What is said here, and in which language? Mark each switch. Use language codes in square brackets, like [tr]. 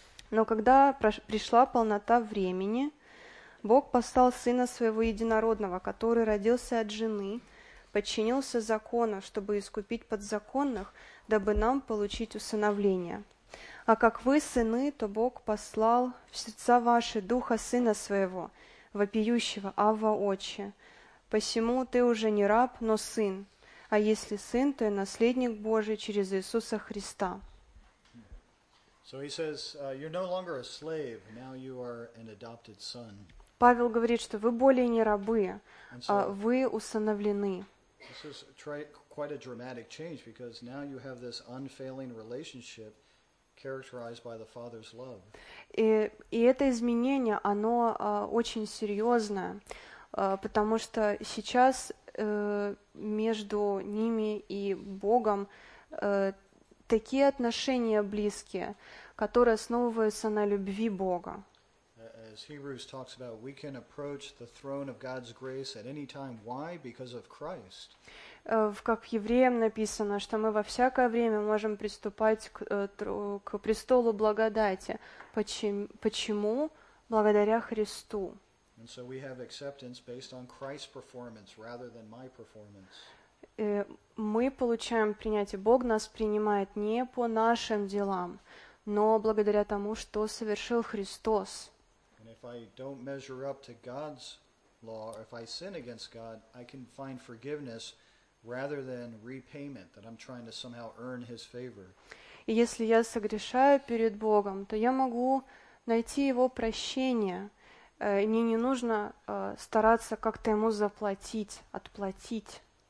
[ru] Но когда пришла полнота времени, Бог послал Сына Своего Единородного, который родился от жены, подчинился закону, чтобы искупить подзаконных, дабы нам получить усыновление. А как вы сыны, то Бог послал в сердца ваши Духа Сына Своего, вопиющего «Авва, Отче». Посему ты уже не раб, но сын. А если сын, то и наследник Божий через Иисуса Христа. [en] So he says, you're no longer a slave, now you are an adopted son. [ru] Павел говорит, что вы более не рабы, а вы усыновлены. [en] This is quite a dramatic change because now you have this unfailing relationship characterized by the Father's love. [ru] И это изменение, оно очень серьезное. Потому что сейчас между ними и Богом такие отношения близкие, которые основываются на любви Бога. [en] As Hebrews talks about, we can approach the throne of God's grace at any time. Why? Because of Christ. [ru] Как в Евреям написано, что мы во всякое время можем приступать к престолу благодати. Почему? Благодаря Христу. [en] And so we have acceptance based on Christ's performance rather than my performance. [ru] Мы получаем принятие. Бог нас принимает не по нашим делам, но благодаря тому, что совершил Христос. [en] And if I don't measure up to God's law, or if I sin against God, I can find forgiveness rather than repayment, that I'm trying to somehow earn his favor. [ru] И если я согрешаю перед Богом, то я могу найти его прощение. Мне не нужно стараться как-то ему заплатить, отплатить.